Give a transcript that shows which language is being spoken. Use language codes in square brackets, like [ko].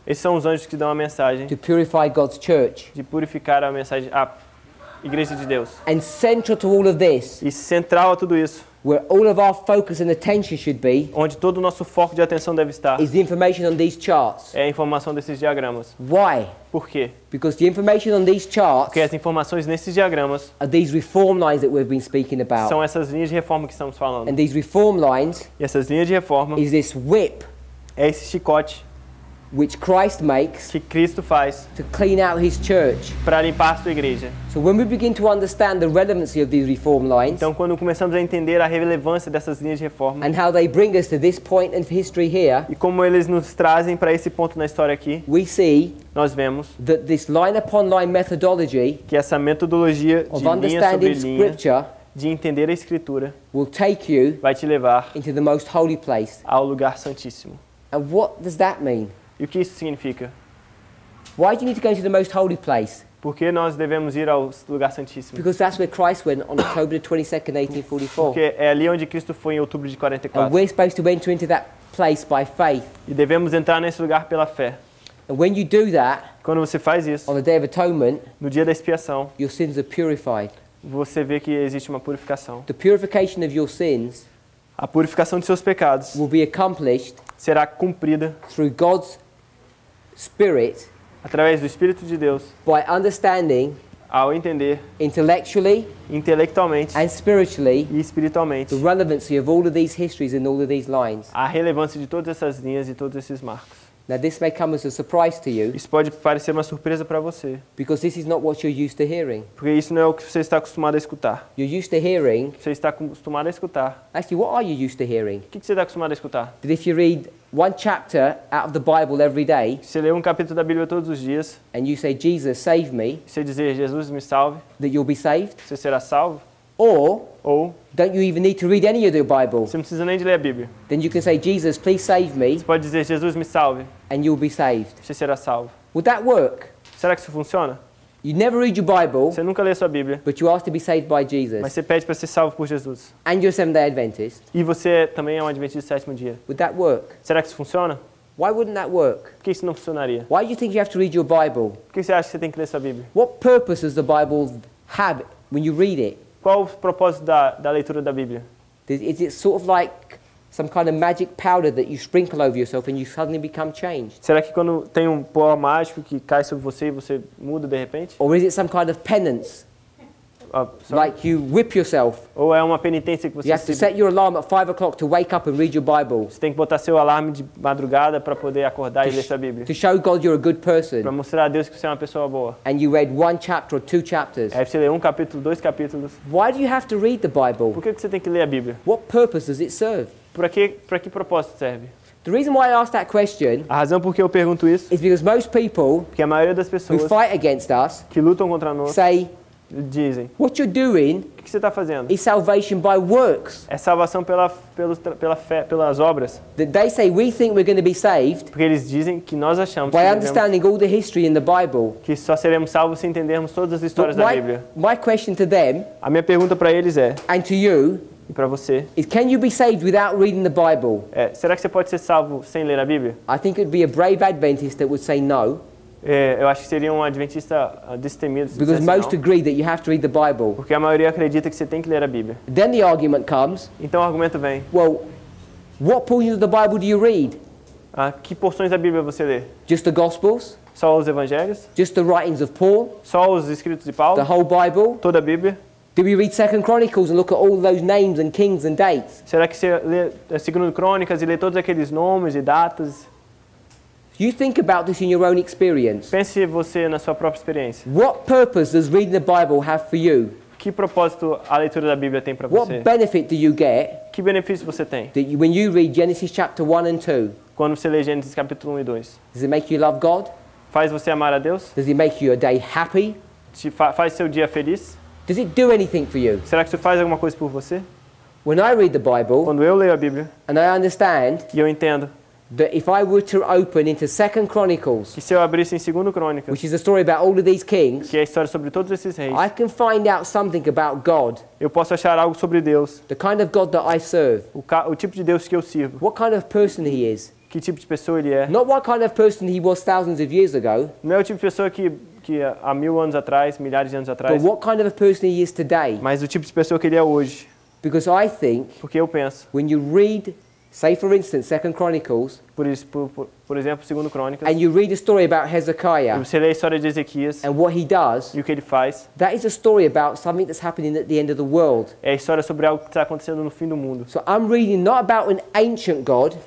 [pt] Esses são os anjos que dão a mensagem. [en] To purify God's church. [pt] De purificar a mensagem à igreja de Deus. [en] And central to all of this. [pt] E central a tudo isso. [en] Where all of our focus and attention should be. [pt] Onde todo o nosso foco de atenção deve estar. [en] Is the information on these charts. [pt] É a informação desses diagramas. [en] Why? [pt] Por quê? [en] Because the information on these charts. [pt] Porque as informações nesses diagramas. [en] Are these reform lines that we've been speaking about. [pt] São essas linhas de reforma que estamos falando. [en] And these reform lines. [pt] E essas linhas de reforma. [en] Is this whip. [pt] É esse chicote. [en] Which Christ makes. [pt] Que Cristo faz. [en] To clean out his church. [pt] Para limpar a sua igreja. [en] So when we begin to understand the relevancy of these reform lines. [pt] Então quando começamos a entender a relevância dessas linhas de reforma. [en] And how they bring us to this point in history here. [pt] E como eles nos trazem para esse ponto na história aqui. [en] We see. [pt] Nós vemos. [en] That this line upon line methodology. [pt] Que essa metodologia de linha sobre linha. [en] Of understanding scripture. [pt] De entender a escritura. [en] Will take you. [pt] Vai te levar. [en] Into the most holy place. [pt] Ao lugar santíssimo. [en] And what does that mean? [pt] E o que isso significa? [en] Why do you need to go to the most holy place? [pt] Por que nós devemos ir ao lugar santíssimo? [en] Because that's where Christ went on October 22nd, 1844. [pt] Porque é ali onde Cristo foi em outubro de 44. [en] And we're supposed to enter into that place by faith. [pt] E devemos entrar nesse lugar pela fé. [en] And when you do that, [pt] quando você faz isso, [en] on the day of atonement, [pt] no dia da expiação, [en] your sins are purified. [pt] Você vê que existe uma purificação. [en] The purification of your sins, [pt] a purificação de seus pecados, [en] will be accomplished, [pt] será cumprida, [en] through God's Spirit, [pt] através do Espírito de Deus, [en] by understanding, [pt] ao entender, [en] intellectually, [pt] intellectualmente, [en] and spiritually, [pt] e espiritualmente, [en] the relevancy of all of these histories and all of these lines, [pt] a relevância de todas essas linhas e todos esses marcos. [en] Now this may come as a surprise to you, [pt] isso pode parecer uma surpresa para você, [en] because this is not what you're used to hearing, [pt] porque isso não é o que você está acostumado a escutar. [en] You're used to hearing, [pt] você está acostumado a escutar. [en] Actually, what are you used to hearing? [pt] O que você está acostumado a escutar? [en] That if you read one chapter out of the Bible every day. [pt] Você lê um capítulo da Bíblia todos os dias. [en] And you say, Jesus, save me. [pt] Você dizer, Jesus, me salve. [en] That you'll be saved. [pt] Você será salvo. [en] Ou, don't you even need to read any of the Bible. [pt] Você não precisa nem de ler a Bíblia. [en] Then you can say, Jesus, please save me. [pt] Você pode dizer, Jesus, me salve. [en] And you'll be saved. [pt] Você será salvo. [en] Would that work? [pt] Será que isso funciona? [en] You never read your Bible. [pt] Você nunca lê a sua Bíblia. [en] But you ask to be saved by Jesus. [pt] Mas você pede para ser salvo por Jesus. [en] And you're a Seventh-day Adventist. [pt] E você também é um Adventista do sétimo dia. [en] Would that work? [pt] Será que isso funciona? [en] Why wouldn't that work? [pt] Por que isso não funcionaria? [en] Why do you think you have to read your Bible? [pt] Por que você acha que você tem que ler a sua Bíblia? [en] What purpose does the Bible have when you read it? [pt] Qual o propósito da leitura da Bíblia? [en] Is it sort of like some kind of magic powder that you sprinkle over yourself and you suddenly become changed? [pt] Será que quando tem um pó mágico que cai sobre você e você muda de repente? [en] Or is it some kind of penance? Like you whip yourself. [pt] Ou é uma penitência que você [en] You have to set your alarm at 5 o'clock to wake up and read your Bible. [pt] Você tem que botar seu alarme de madrugada para poder acordar e ler sua Bíblia. [en] To show God you're a good person. [pt] Para mostrar a Deus que você é uma pessoa boa. [en] And you read one chapter or two chapters. [pt] Aí você lê um capítulo, dois capítulos. [en] Why do you have to read the Bible? [pt] Por que você tem que ler a Bíblia? [en] What purpose does it serve? [pt] Para que propósito serve? [en] The reason why I ask that question, [pt] a razão por que eu pergunto isso, [en] is because most people, [pt] porque a maioria das pessoas, [en] who fight against us, [pt] que lutam contra nós, [en] say, [pt] dizem, [en] what you're doing, [pt] o que você está fazendo, [en] is salvation by works. [pt] É salvação pela fé, pelas obras. [en] That they say we think we're going to be saved, [pt] porque eles dizem que nós achamos, [en] by understanding all the history in the Bible, [pt] que só seremos salvos se entendermos todas as histórias da Bíblia. [en] My question to them, [pt] a minha pergunta para eles é, [en] and to you, [pt] e para você? [en] Is can you be saved without reading the Bible? [pt] É, será que você pode ser salvo sem ler a Bíblia? [en] I think it'd be a brave Adventist that would say no. [pt] É, eu acho que seria um adventista destemido. [en] Because most agree that you have to read the Bible. [pt] Porque a maioria acredita que você tem que ler a Bíblia. [en] Then the argument comes. [pt] Então o argumento vem. [en] Well, what portions of the Bible do you read? [pt] Ah, que porções da Bíblia você lê? [en] Just the Gospels? [pt] Só os Evangelhos? [en] Just the writings of Paul? [pt] Só os escritos de Paulo? [en] The whole Bible? [pt] Toda a Bíblia? [en] Do we read 2 Chronicles and look at all those names and kings and dates? [pt] Será que você lê 2 Crônicas e lê todos aqueles nomes e datas? [en] You think about this in your own experience. [pt] Pense você na sua própria experiência. [en] What purpose does reading the Bible have for you? [pt] Que propósito a leitura da Bíblia tem para você? [en] What benefit do you get? [pt] Que benefício você tem? [en] That you, when you read Genesis chapter 1 and 2. [pt] Quando você lê Gênesis capítulo 1 e 2. [en] Does it make you love God? [pt] Faz você amar a Deus? [en] Does it make your day happy? [pt] Faz seu dia feliz? [en] Does it do anything for you? [pt] Será que isso faz alguma coisa por você? [en] When I read the Bible. [pt] Quando eu leio a Bíblia. [en] And I understand. [pt] E eu entendo. [en] That if I were to open into 2 Chronicles, [pt] que se eu abrisse em 2 Crônicas, [en] which is a story about all of these kings, [pt] que é a história sobre todos esses reis, [en] I can find out something about God. [pt] Eu posso achar algo sobre Deus. [en] The kind of God that I serve. [pt] O tipo de Deus que eu sirvo. [en] What kind of person He is. [pt] Que tipo de pessoa Ele é. [en] Not what kind of person He was thousands of years ago. [pt] Não é o tipo de pessoa que há mil anos atrás, milhares de anos atrás. [en] But what kind of a person He is today. [pt] Mas o tipo de pessoa que Ele é hoje. [en] Because I think. [pt] Porque eu penso. [en] When you read, say for instance, 2 Chronicles. [pt] Por exemplo, 2 Crônicas. [en] And you read a story about Hezekiah. [pt] E você lê a história de Ezequias. [en] And what he does. [pt] E o que ele faz. [en] That is a story about something that's happening at the end of the world. [pt] É a história sobre algo que está acontecendo no fim do mundo. [en] So I'm reading not about an ancient God.